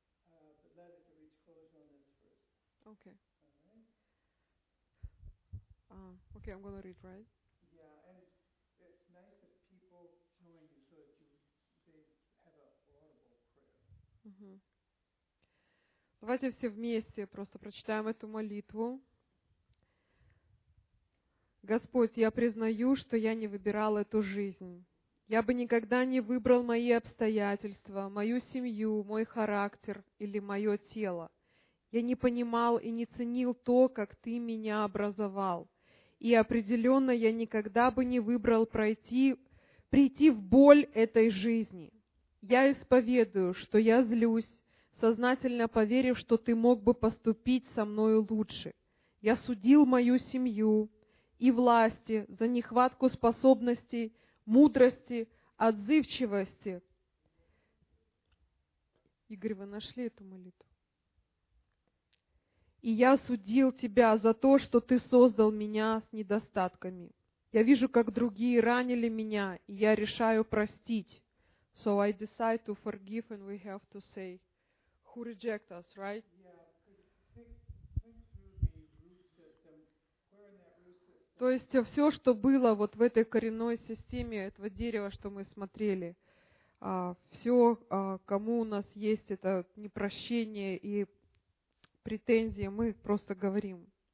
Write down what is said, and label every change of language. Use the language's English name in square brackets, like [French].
[English] But let it reach closure on this first. Okay. All right. Okay, I'm going to read, right? Yeah, and it's nice that people join you so that they have an audible prayer. [Russian] Давайте все вместе просто прочитаем эту молитву. Господь, я признаю, что я не выбирал эту жизнь. Я бы никогда не выбрал мои обстоятельства, мою семью, мой характер или мое тело. Я не понимал и не ценил то, как Ты меня образовал. И определенно я никогда бы не выбрал прийти в боль этой жизни. Я исповедую, что я злюсь, сознательно поверив, что Ты мог бы поступить со мною лучше. Я судил мою семью и власти за нехватку способностей, мудрости, отзывчивости. Игорь, вы нашли эту молитву? И я судил Тебя за то, что Ты создал меня с недостатками. Я вижу, как другие ранили меня, и я решаю простить. [English] So I decide to forgive, and we have to say, who reject us, right? [Russian] То есть все, что было вот в этой коренной системе этого дерева, что мы смотрели, все, кому у нас есть это непрощение и претензии, мы просто говорим.